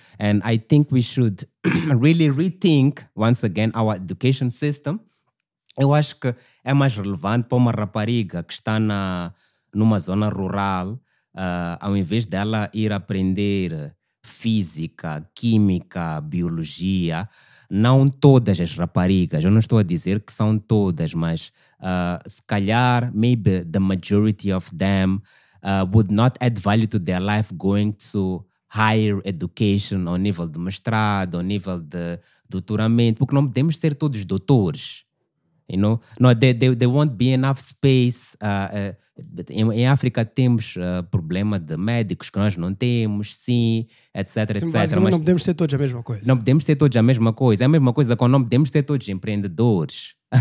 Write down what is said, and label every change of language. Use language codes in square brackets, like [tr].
[en] And I think we should really rethink once again our education system. [pt] Eu acho que é mais relevante para uma rapariga que está numa zona rural, ao invés dela ir aprender física, química, biologia. Não todas as raparigas, eu não estou a dizer que são todas, mas se calhar, [en] maybe the majority of them would not add value to their life going to higher education, [pt] ao nível de mestrado, ao nível de doutoramento, porque não podemos ser todos doutores. [en] You know, no, there won't be enough space. [pt] Em África temos problema de médicos que nós não temos, etc. Mas não podemos ser todos a mesma coisa. Não podemos ser todos a mesma coisa. É a mesma coisa quando não podemos ser todos empreendedores.